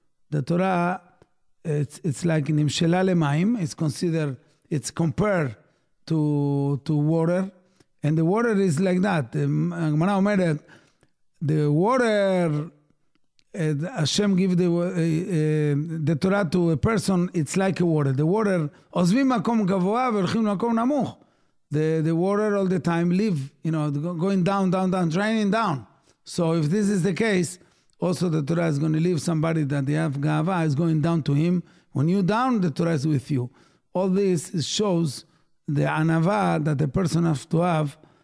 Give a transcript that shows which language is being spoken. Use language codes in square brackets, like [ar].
[en] The Torah, it's like [he] Nimshela Lemaim, [en] it's considered, it's compared to water. And the water is like that. [he] Gemara omeret, [en] the water, Hashem give the Torah to a person, it's like a water. The water, [he] עוזבים מקום גבוה והולכים למקום נמוך. [en] The water all the time live, you know, going down, down, down, draining down. So if this is the case, also the Torah is going to leave somebody that they have gava, is going down to him. When you down, the Torah is with you. All this shows the anava that the person has to have